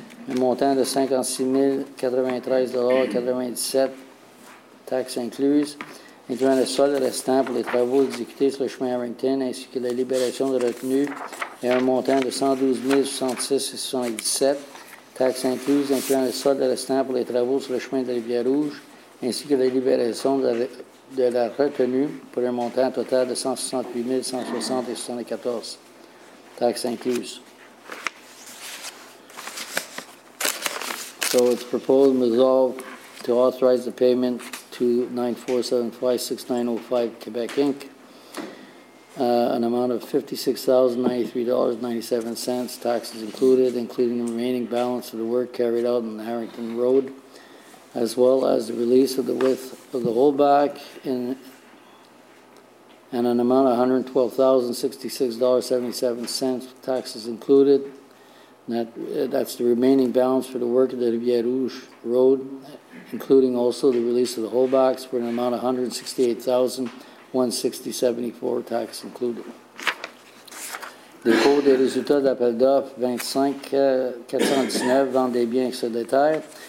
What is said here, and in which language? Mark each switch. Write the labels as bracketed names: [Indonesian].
[French] Un montant de 56 093,97 $, taxes incluses, incluant le solde restant pour les travaux exécutés sur le chemin Harrington ainsi que la libération de retenue, et un montant de 112 066,77 $, taxes incluses, incluant le solde restant pour les travaux sur le chemin de la Rivière-Rouge ainsi que la libération de la retenue pour un montant total de 168 160,74 $, taxes incluses. [English] So it's proposed and resolved to authorize the payment to 9475-6905 Quebec Inc. An amount of $56,093.97, taxes included, including the remaining balance of the work carried out on Harrington Road, as well as the release of the width of the holdback, and an amount of $112,066.77, taxes included. That's the remaining balance for the work of the Rivière Rouge Road, including also the release of the whole box for an amount of $168,160.74, tax included. [French] Dépôt des résultats d'appel d'offres 25-419, vente des biens sur détail.